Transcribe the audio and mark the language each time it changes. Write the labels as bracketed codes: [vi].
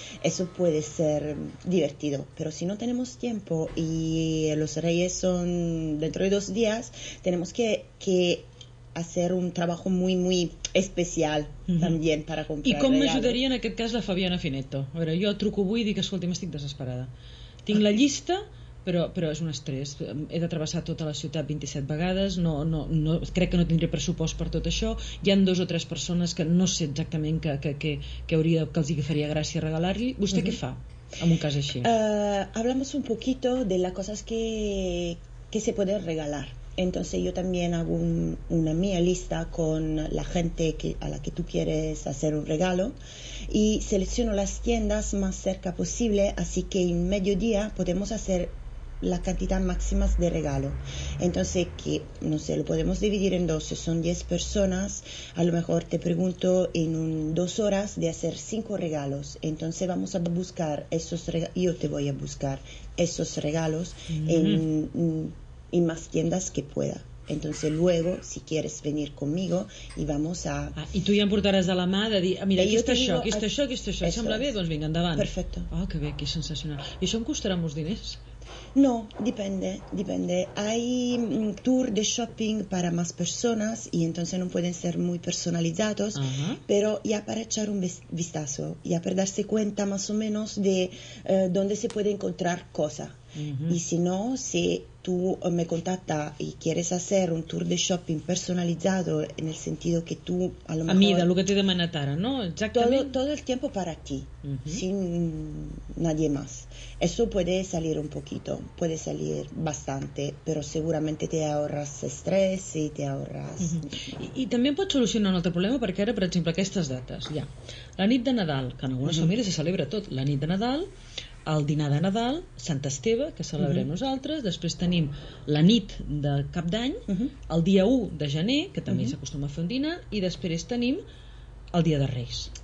[es] Eso puede ser divertido. Pero si no tenemos tiempo y los reyes son dentro de 2 días, tenemos que hacer un trabajo muy, muy especial también para comprar. ¿Y cómo me ayudaría en aquel caso la Fabiana Fineto? A ver, yo [ca] truco avui y digo, escolti, estic desesperada. Tinc la llista, però és un estrès. He de travessar tota la ciutat 27 vegades, no, crec que no tindré pressupost per tot això. Hi han 2 o 3 persones que no sé exactament que hauria, que els faria gràcia regalar-li. Vostè què fa en un cas així? [es] Hablamos un poquito de las cosas que se pueden regalar. Entonces yo también hago una mía lista con la gente a la que tú quieres hacer un regalo y selecciono las tiendas más cerca posible, así que en mediodía podemos hacer la cantidad máxima de regalo. Entonces, que no sé, lo podemos dividir en 2, si son 10 personas, a lo mejor te pregunto en 2 horas de hacer 5 regalos. Entonces vamos a buscar esos regalos, yo te voy a buscar esos regalos y más tiendas que pueda. Entonces luego, si quieres venir conmigo, y vamos a... [ca] Ah, i tu ja em portaràs de la mà de dir, mira, aquí està això, sembla bé, doncs vinga, endavant. [es] Perfecto. [ca] Oh, que bé, que sensacional. I això em costarà molts diners. [es] No, depende, depende. Hay tour de shopping para más personas y entonces no pueden ser muy personalizados, pero ya para echar un vistazo, ya para darse cuenta más o menos de dónde se puede encontrar cosa. Y si no, si tú me contactas y quieres hacer un tour de shopping personalizado en el sentido que tú a lo A mí, da mejor lo que te demandara, ¿no? todo, Exactamente. todo el tiempo para ti. Sin nadie más. Eso puede salir un poquito, puede salir bastante, pero seguramente te ahorras estrés y te ahorras. [ca] I també pot solucionar un altre problema perquè ara, per exemple, aquestes dates, ja, la nit de Nadal, que en algunes famílies se celebra tot, la nit de Nadal, el dinar de Nadal, Sant Esteve, que celebrem nosaltres, després tenim la nit de Cap d'Any, el dia 1 de gener, que també s'acostuma a fer un dinar, i després tenim el dia de Reis.